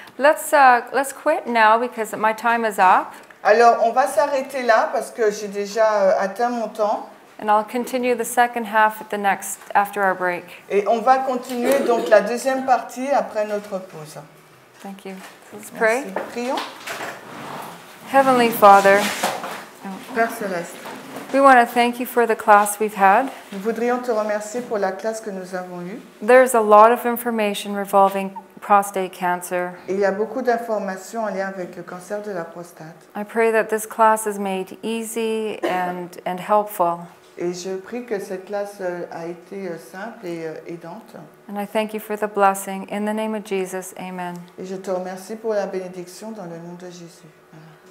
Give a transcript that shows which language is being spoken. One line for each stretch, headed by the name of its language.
English: Let's quit now because my time is up.
French: Alors, on va s'arrêter là parce que j'ai déjà atteint mon temps.
English: And I'll continue the second half at the next after our break.
French: Et on va continuer donc la deuxième partie après notre pause.
English: Thank you. Let's pray.
French: Prions.
English: Heavenly Father.
French: Père céleste.
English: We want to thank you for the class we've had.
French: Nous voudrions te remercier pour la classe que nous avons eue.
English: There's a lot of information revolving prostate cancer.
French: Il y a beaucoup d'informations en lien avec le cancer de la prostate.
English: I pray that this class is made easy and helpful.
French: Et je prie que cette classe a été simple et aidante.
English: And I thank you for the blessing in the name of Jesus. Amen.
French: Et je te remercie pour la bénédiction dans le nom de Jésus. Amen.